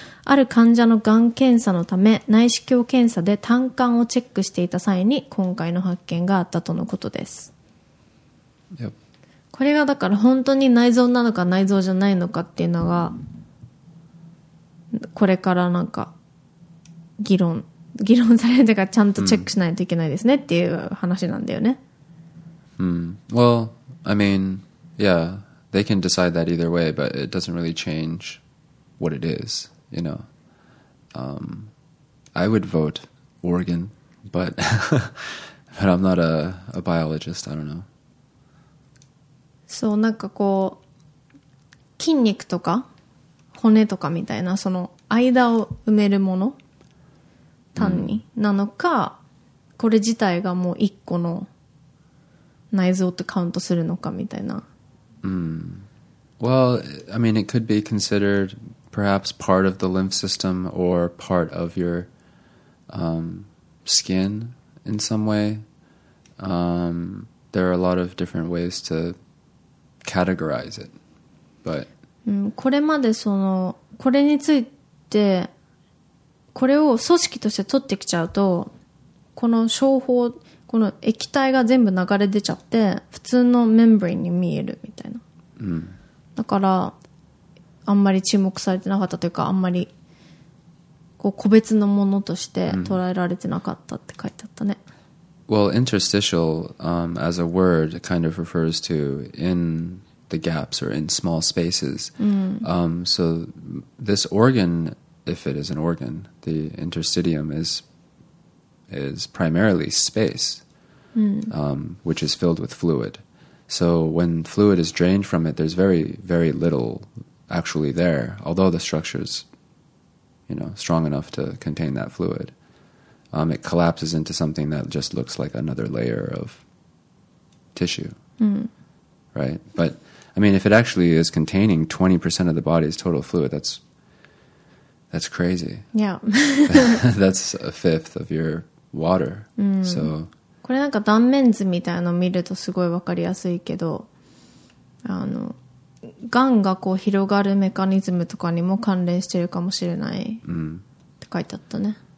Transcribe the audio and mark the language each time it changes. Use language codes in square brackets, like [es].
[ja] ある患者のがん検査のため内視鏡検査で胆管をチェックしていた際に今回の発見があったとのことです、 [en] yep. [ja] これがだから本当に内臓なのか内臓じゃないのかっていうのがこれからなんか議論されるというかちゃんとチェックしないといけないですねっていう話なんだよね、 [en] Well, I mean, yeah, they can decide that either way, but it doesn't really change what it isYou know, I would vote organ, but, but I'm not a biologist. I don't know. [ja] そうなんかこう筋肉とか骨とかみたいなその間を埋めるもの単に、なのかこれ自体がもう一個の内臓ってカウントするのかみたいな。 [en] Well, I mean, it could be considered. Perhaps part of the lymph system or part of your skin in some way. There are a lot of different ways to categorize it. But [ja] これまでそのこれについてこれを組織として取ってきちゃうとこの小胞この液体が全部流れ出ちゃって普通のメンブレインに見えるみたいな。だからあんまり注目されてなかったというかあんまりこう個別のものとして捉えられてなかったって書いてあったね、 [en] Well, interstitial, as a word kind of refers to in the gaps or in small spaces、so this organ, if it is an organ, the interstitium is primarily space、which is filled with fluid. So when fluid is drained from it, there's very, very littleActually, there, although the structure is, you know, strong enough to contain that fluid, it collapses into something that just looks like another layer of tissue, right? But I mean, if it actually is containing 20% of the body's total fluid, that's crazy. Yeah, that's a fifth of your water. So, [ja] これなんか断面図みたいなの見るとすごいわかりやすいけど、がんがこう広がるメカニズムとかにも関連してるかもしれない、って書いてあったね。